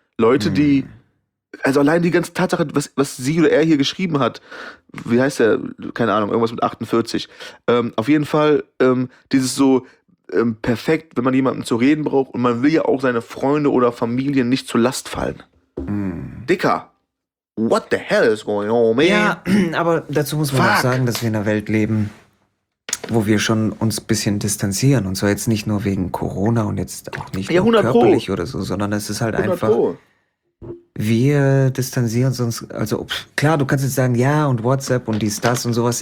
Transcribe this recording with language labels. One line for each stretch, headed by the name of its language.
German: Leute, die, also allein die ganze Tatsache, was sie oder er hier geschrieben hat, wie heißt der, keine Ahnung, irgendwas mit 48. Auf jeden Fall dieses so perfekt, wenn man jemanden zu reden braucht und man will ja auch seine Freunde oder Familien nicht zur Last fallen.
English: Dicker, what the hell is going on, man?
German: Ja, aber dazu muss man auch sagen, dass wir in einer Welt leben, wo wir schon uns ein bisschen distanzieren. Und zwar jetzt nicht nur wegen Corona und jetzt auch nicht nur körperlich oder so, sondern es ist halt einfach, wir distanzieren uns. Also klar, du kannst jetzt sagen, ja, und WhatsApp und dies, das und sowas.